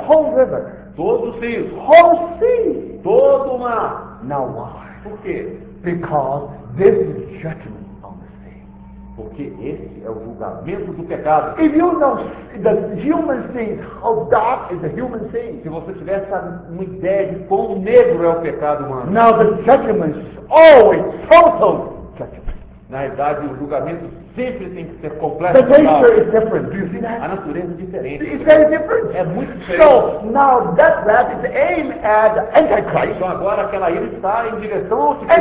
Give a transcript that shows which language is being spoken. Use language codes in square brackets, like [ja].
[en] Whole river. [pt] Todos os rios. [en] Whole sea. [pt] Todo o mar. [en] Now why? [pt] Por quê? [en] Because this is judgment on the sea. [pt] Porque esse é o julgamento do pecado. [en] If you know the human sea, how dark is the human sea? [pt] Se você tivesse uma ideia de quão negro é o pecado humano. [en] Now the judgment is always total judgment. [pt] Na verdade, o julgamento sempre tem que ser completo. [en] The nature is different. Do you see that? [pt] A natureza é diferente. [en] It's very different. [pt] É muito diferente. [en] So now that wrath is aimed at Antichrist. [pt] Então agora aquela ira está em direção ao Anticristo.